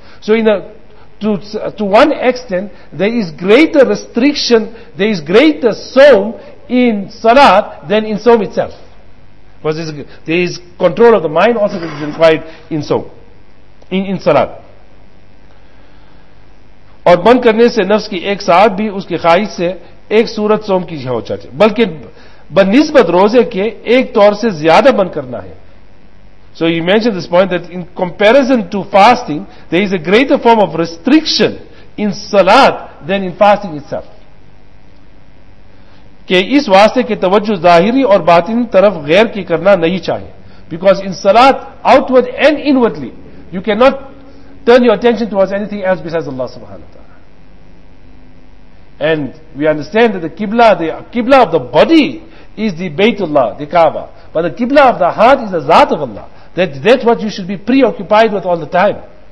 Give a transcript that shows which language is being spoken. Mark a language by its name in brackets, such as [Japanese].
[English] So in a, to one extent, there is greater restriction, there is greater Sawm in Salat than in Sawm itself. Because there is control of the mind also that is required in Sawm, in Salat. [Urdu] اور بند کرنے سے نفس کی ایک ساعت بھی اس کی خواہش سے ایک صورت سوم کی ہو جاتی ہے بلکہ بنسبت روزے کے ایک طور سے زیادہ بند کرنا ہے. [English] So you mentioned this point that in comparison to fasting there is a greater form of restriction in salat than in fasting itself. [Urdu] کہ اس واسطے کے توجہ ظاہری اور باطن طرف غیر کی کرنا نہیں چاہیے. [English] Because in salat outward and inwardly you cannot turn your attention towards anything else besides Allah subhanahu wa ta'ala. And we understand that the Qibla of the body is the Baytullah, the Kaaba. But the Qibla of the heart is the Zaat of Allah. That's what you should be preoccupied with all the time.